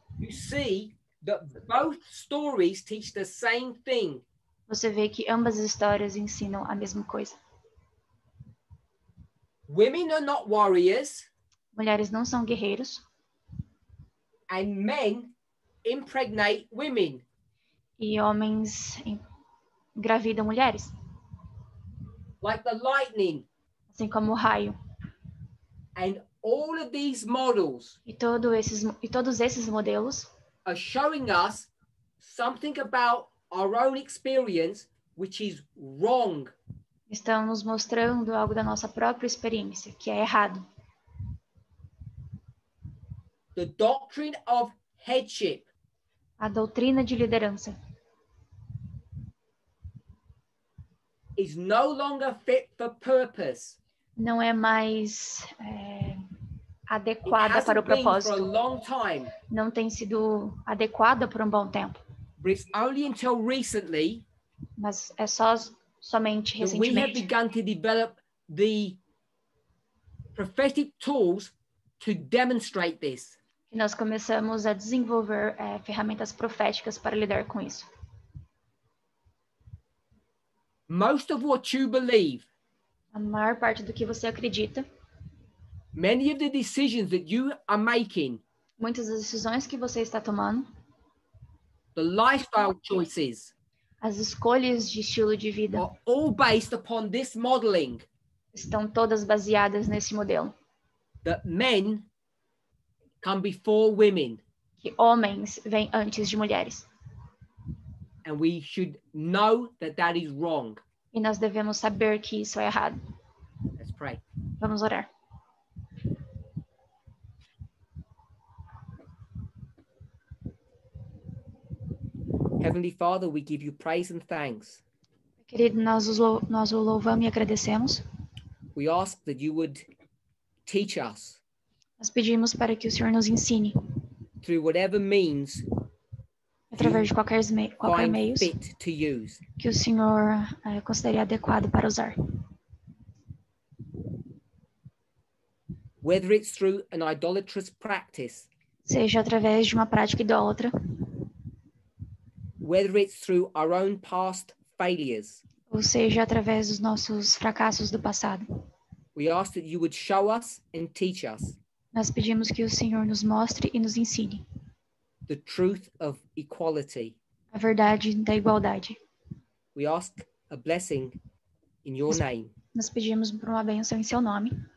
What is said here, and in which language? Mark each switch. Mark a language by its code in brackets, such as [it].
[en] You see that both stories teach the same thing. [pt] Você vê que ambas histórias ensinam a mesma coisa. [en] Women are not warriors. [pt] Mulheres não são guerreiros. [en] And men impregnate women. [pt] E homens engravidam mulheres. [en] Like the lightning. [pt] Assim como o raio. [en] And all of these models, [pt] e todos esses modelos, [en] are showing us something about our own experience which is wrong. [pt] Estão nos mostrando algo da nossa própria experiência que é errado. [en] The doctrine of headship. [pt] A doutrina de liderança. [en] Is no longer fit for purpose. [pt] Não é mais adequada para o propósito. [en] For a long time. [pt] Não tem sido adequada por um bom tempo. [en] But it's only until recently. [pt] Mas é somente recentemente. [en] We have begun to develop the prophetic tools to demonstrate this. [pt] E nós começamos a desenvolver ferramentas proféticas para lidar com isso. [en] Most of what you believe. [pt] A maior parte do que você acredita. [en] Many of the decisions that you are making. [pt] Muitas das decisões que você está tomando. [en] The lifestyle choices. [pt] As escolhas de estilo de vida. [en] Are all based upon this modeling. [pt] Estão todas baseadas nesse modelo. [en] That men come before women. [pt] Que homens vêm antes de mulheres. [en] And we should know that that is wrong. [pt] E nós devemos saber que isso é errado. [en] Let's pray. [pt] Vamos orar. [en] Heavenly Father, we give you praise and thanks. [pt] Querido, nós o louvamos e agradecemos. [en] We ask that you would teach us. [pt] Nós pedimos para que o Senhor nos ensine. [en] Through whatever means. [pt] Através de qualquer meio que o Senhor considere adequado para usar. [en] Whether it's through an idolatrous practice. [pt] Seja através de uma prática idólatra. [en] Whether it's through our own past failures. [pt] Ou seja, através dos nossos fracassos do passado. [en] We ask that you would show us and teach us. [pt] Nós pedimos que o Senhor nos mostre e nos ensine. [en] The truth of equality. [pt] A verdade da igualdade. [en] We ask a blessing in your name. [pt] Nós pedimos por uma bênção em seu nome.